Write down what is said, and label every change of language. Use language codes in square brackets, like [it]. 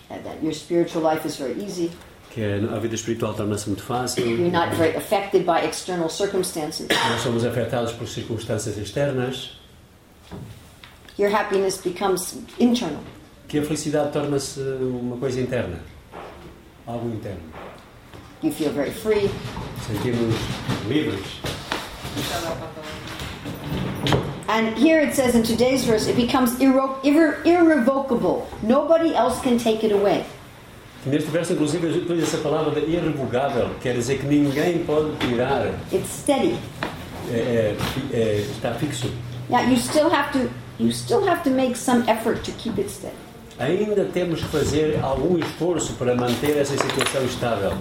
[en] And that your spiritual life is very easy. [pt] Que a vida espiritual torna-se muito fácil. [en] You're not very affected by external circumstances. [pt] Não somos afetados por circunstâncias externas. [en] Your happiness becomes internal. [pt] Que a felicidade torna-se uma coisa interna. Algo interno. [en] You feel very free. [pt] Sentimos livres. [en] And here it says in today's verse, it becomes irrevocable. Nobody else can take it away. [pt] Neste verso, inclusive, utiliza essa palavra de irrevogável. Quer dizer que ninguém pode tirar. [en] It's steady. [pt] Está fixo. [en] Now you still have to make some effort to keep it steady. [pt] Ainda temos que fazer algum esforço para manter essa situação estável.